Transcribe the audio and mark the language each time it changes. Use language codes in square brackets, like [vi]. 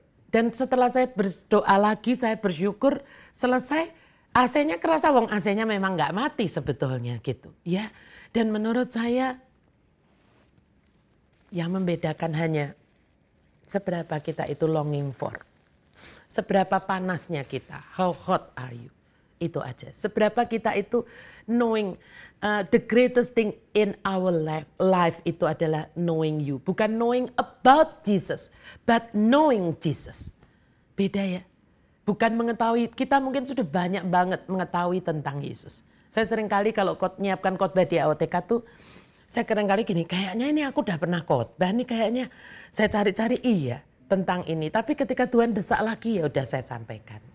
[id] Dan setelah saya berdoa lagi, saya bersyukur, selesai, AC-nya kerasa, wong AC-nya memang enggak mati sebetulnya gitu ya. Dan menurut saya yang membedakan hanya seberapa kita itu [en] longing for. [id] Seberapa panasnya kita, [en] how hot are you? [id] Itu aja. Seberapa kita itu [en] knowing the greatest thing in our life [id] itu adalah [en] knowing you. Bukan knowing about Jesus, but knowing Jesus. [id] Beda ya. Bukan mengetahui, kita mungkin sudah banyak banget mengetahui tentang Yesus. Saya seringkali kalau menyiapkan khotbah di AOTK tuh, saya kadang-kadang gini, kayaknya ini aku udah pernah khotbah nih, kayaknya saya cari-cari iya tentang ini. Tapi ketika Tuhan desak lagi, ya udah saya sampaikan.